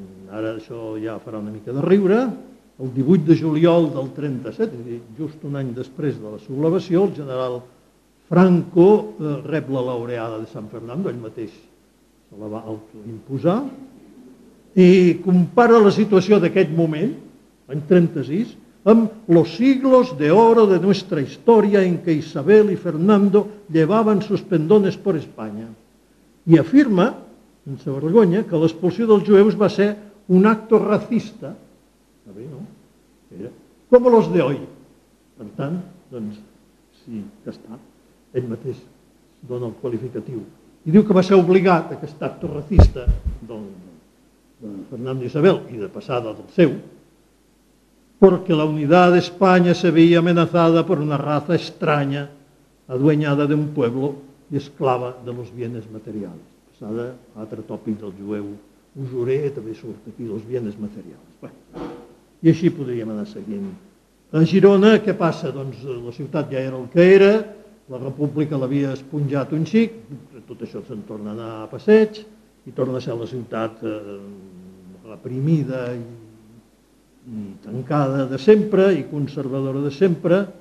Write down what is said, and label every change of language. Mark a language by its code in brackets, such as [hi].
[ca] ara això ja farà una mica de riure, el 18 de juliol del 37, és a dir, just un any després de la sublevació, el general Franco rep la laureada de San Fernando, ell mateix se la va autoimposar, i compara la situació d'aquest moment, l'any 36, amb [es] los siglos de oro de nuestra historia en que Isabel y Fernando llevaban sus pendones por España. [ca] I afirma, sense vergonya, que l'expulsió dels jueus va ser un [es] acto racista, [ca] bé, no? [es] Era, como los de hoy. [ca] Per tant, doncs, sí, que està, ell mateix dona el qualificatiu. I diu que va ser obligat aquest [es] acto racista [ca] de Fernando Isabel i de passada del seu, [es] porque la unidad de España se veía amenazada por una raza extraña, adueñada de un pueblo y esclava de los bienes materiales. [ca] Passada, altre tòpic del jueu usurer, també surt aquí, [es] los bienes materiales. [ca] Bé, i així podríem anar seguint. A Girona, què passa? Doncs la ciutat ja era el que era, la república l'havia esponjat un xic, tot això se'n torna a anar a passeig, i torna a ser la ciutat reprimida i tancada de sempre i conservadora de sempre.